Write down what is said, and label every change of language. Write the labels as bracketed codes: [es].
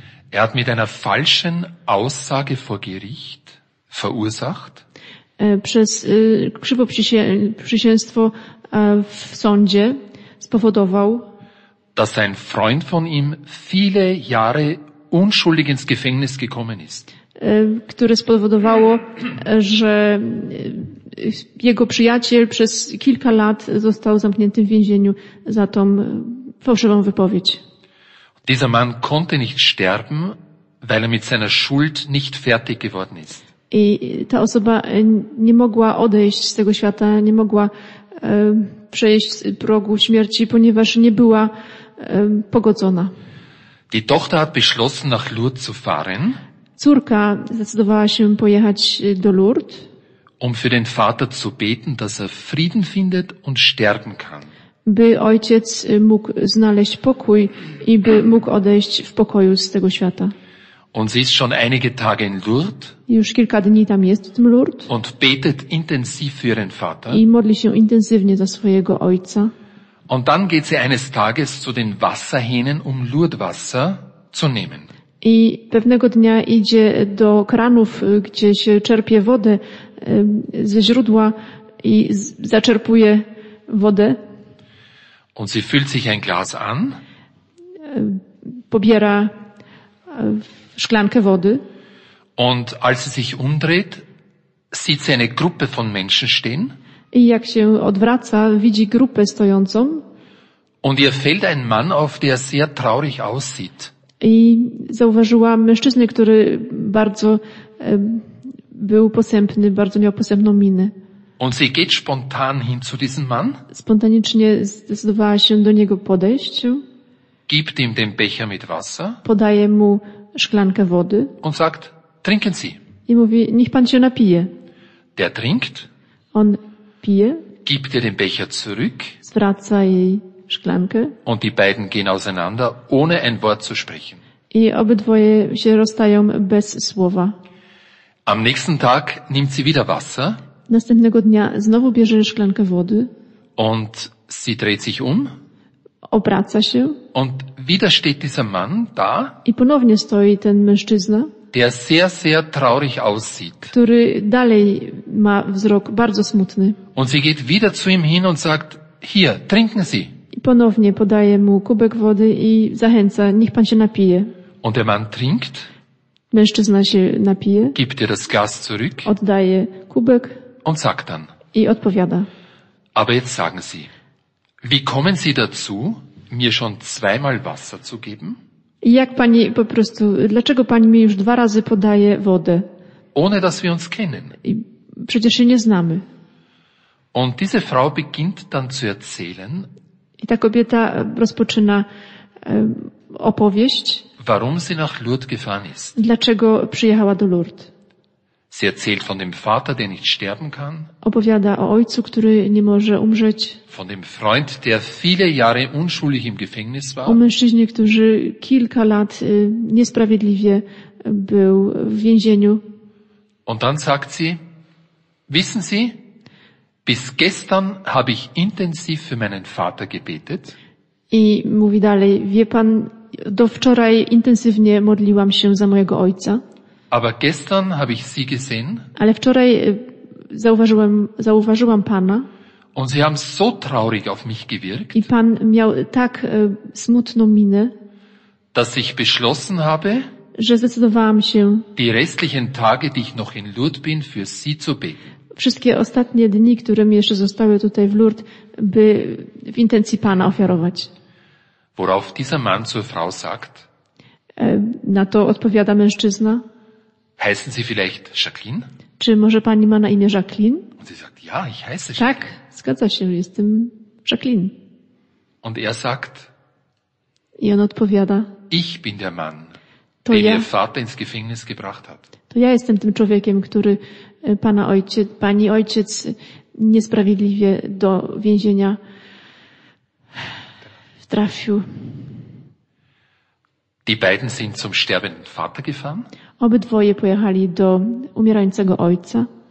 [de] Er hat mit einer falschen Aussage vor Gericht verursacht. [pl] Przez krzywo przysięstwo w sądzie spowodował, [de] dass ein Freund von ihm viele Jahre unschuldig ins Gefängnis gekommen ist. [pl] Które spowodowało, że jego przyjaciel przez kilka lat został zamknięty w więzieniu za tą fałszywą wypowiedź. [de] Dieser Mann konnte nicht sterben, weil er mit seiner Schuld nicht fertig geworden ist. [pl] I ta osoba nie mogła odejść z tego świata, nie mogła przejść z progu śmierci, ponieważ nie była pogodzona. [de] Die Tochter hat beschlossen, nach Lourdes zu fahren. [pl] Córka zdecydowała się pojechać do Lourdes, [de] um für den Vater zu beten, dass er Frieden findet und sterben kann. [pl] By ojciec mógł znaleźć pokój i by mógł odejść w pokoju z tego świata. [de] Und sie ist schon einige Tage in Lourdes. [pl] Już kilka dni tam jest w tym Lourdes. [de] Und betet intensiv für ihren Vater. [pl] I modli się intensywnie za swojego ojca. [de] Und dann geht sie eines Tages zu den Wasserhähnen, um Lourdeswasser zu nehmen. [pl] I pewnego dnia idzie do kranów, gdzie się czerpie wodę ze źródła i zaczerpuje wodę. [de] Und sie füllt sich ein Glas an. [pl] Pobiera szklankę wody. [de] Und als sie sich umdreht, sieht sie eine Gruppe von Menschen stehen. [pl] I jak się odwraca, widzi grupę stojącą. [de] Und ihr fällt ein Mann auf, der sehr traurig aussieht. [pl] I zauważyła mężczyznę, który bardzo był posępny, bardzo miał posępną minę. [de] Und sie geht spontan hin zu diesem Mann. [pl] Spontanicznie zdecydowała się do niego podejść. [de] Gibt ihm den Becher mit Wasser. [pl] Podaje mu szklankę wody. [de] Und sagt, trinken Sie. [pl] I mówi, niech pan się napije. [de] Der trinkt. [pl] On pije. [de] Gibt ihr den Becher zurück. [pl] Zwraca jej szklankę. [de] Und die beiden gehen auseinander, ohne ein Wort zu sprechen. [pl] I obydwoje się rozstają bez słowa. [de] Am nächsten Tag nimmt sie wieder Wasser. [pl] Następnego dnia znowu bierze szklankę wody. [de] Und sie dreht sich um. [pl] Obraca się. [de] Und wieder steht dieser Mann da. [pl] I ponownie stoi ten mężczyzna. [de] Der sehr, sehr traurig aussieht. [pl] Który dalej ma wzrok bardzo smutny. [de] Und sie geht wieder zu ihm hin und sagt, hier, trinken Sie. [pl] I ponownie podaje mu kubek wody i zachęca, niech pan się napije. [de] Und der Mann trinkt. [pl] Mężczyzna się napije. [de] Gibt ihr das Glas zurück. [pl] Oddaje kubek. [de] Und sagt dann. [pl] I odpowiada. [de] Aber jetzt sagen Sie, wie kommen Sie dazu, mir schon zweimal Wasser zu geben? [pl] Jak pani po prostu, dlaczego pani mi już dwa razy podaje wodę? [de] Ohne dass wir uns kennen. [pl] przecież się nie znamy. [de] Und diese Frau beginnt dann zu erzählen. [pl] I ta kobieta rozpoczyna opowieść. [de] Warum sie nach Lourdes gefahren ist. [pl] Dlaczego przyjechała do Lourdes? [de] Sie erzählt von dem Vater, der nicht sterben kann. [pl] Opowiada o ojcu, który nie może umrzeć. [de] Von dem Freund, der viele Jahre unschuldig im Gefängnis war. [pl] O mężczyźnie, który kilka lat niesprawiedliwie był w więzieniu. [de] Und dann sagt sie: Wissen Sie, bis gestern habe ich intensiv für meinen Vater gebetet. [pl] I mówi dalej: Wie pan, do wczoraj intensywnie modliłam się za mojego ojca. [de] Aber gestern habe ich sie gesehen. [pl] Ale wczoraj zauważyłam pana. [de] Und sie haben so traurig auf mich gewirkt. [pl] I pan miał tak smutną minę. [de] Dass ich beschlossen habe. [pl] Że zdecydowałam się. [de] Die restlichen Tage, die ich noch in Lourdes bin, für sie zu beten. [pl] Wszystkie ostatnie dni, które mi jeszcze zostały tutaj w Lourdes, by w intencji pana ofiarować. [de] Worauf dieser Mann zur Frau sagt. [pl] Na to odpowiada mężczyzna. [de] Heißen Sie vielleicht Jacqueline? [pl] Czy może pani ma na imię Jacqueline? [de] Und sie sagt, ja, ich heiße Jacqueline. [pl] Tak, zgadza się, jestem Jacqueline. [de] Und er sagt, [pl] i on odpowiada, [de] ich bin der Mann, to den ihr Vater ins Gefängnis gebracht hat. [pl] To ja jestem tym człowiekiem, który pani ojciec niesprawiedliwie do więzienia trafił. [de] Die beiden sind zum sterbenden Vater gefahren. [pl] Obydwoje pojechali do umierającego ojca.